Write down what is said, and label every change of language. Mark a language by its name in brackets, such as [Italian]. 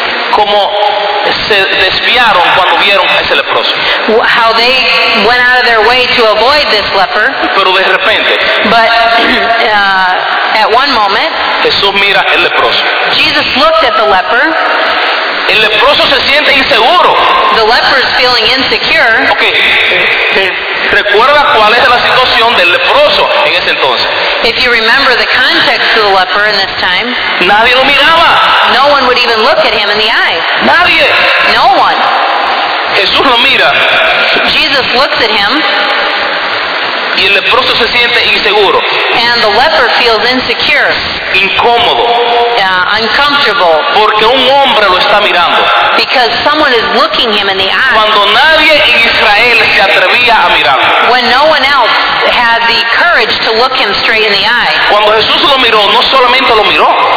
[Spanish] Como se desviaron cuando vieron a ese leproso. [English] How they went out of their way to avoid this leper. [Spanish] Pero de repente. [English] But at one moment. [Spanish] Jesús mira el leproso. [English] Jesus looked at the leper. [Spanish] El leproso se siente inseguro. [English] The leper is feeling insecure. Okay. [Spanish] ¿Recuerda cuál es la situación del leproso en ese entonces? [English] If you remember the context of the leper in this time. [Spanish] Nadie lo miraba. [English] No one would even look at him in the eye. [Spanish] Nadie. [English] No one. [Spanish] Jesús lo mira. [English] Jesus looks at him. [Spanish] Y el leproso se siente inseguro. [English] And the leper feels insecure. [Spanish] Incómodo. [English] Uncomfortable. [Spanish] Porque un hombre lo está mirando. [English] Because someone is looking him in the eye. [Spanish] Cuando nadie en Israel se atrevía a mirarlo. [English] When no one else had the courage to look him straight in the eye. [Spanish] Cuando Jesús lo miró, no solamente lo miró.